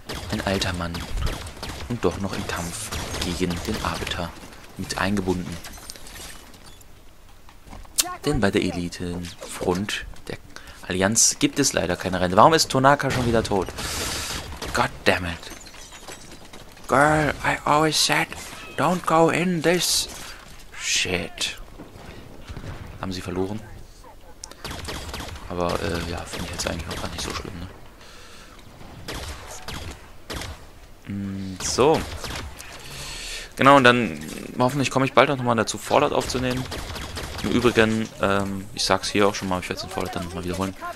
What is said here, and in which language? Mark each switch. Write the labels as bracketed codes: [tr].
[de] Ein alter Mann. Und doch noch im Kampf gegen den Arbiter mit eingebunden. Denn bei der Elitenfront der Allianz gibt es leider keine Rente. Warum ist Tonaka schon wieder tot? [en] God damn it. Girl, I always said, don't go in this shit. [de] Haben sie verloren? Aber ja, finde ich jetzt eigentlich auch gar nicht so schlimm, ne? So. Genau, und dann hoffentlich komme ich bald nochmal dazu, Fallout aufzunehmen. Im Übrigen, ich sag's hier auch schon mal, ich werde es in Fallout dann nochmal wiederholen.